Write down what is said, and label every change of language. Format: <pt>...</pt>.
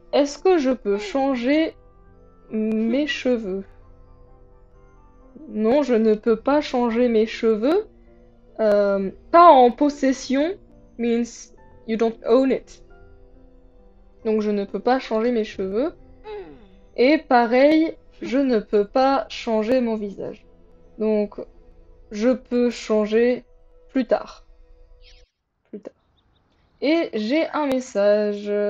<fr>Est-ce que je peux changer mes cheveux? Non, je ne peux pas changer mes cheveux. Pas en possession</fr> <en>means you don't own it.</en> <fr>Donc je ne peux pas changer mes cheveux. Et pareil, je ne peux pas changer mon visage. Donc je peux changer plus tard. Et j'ai un message.</fr>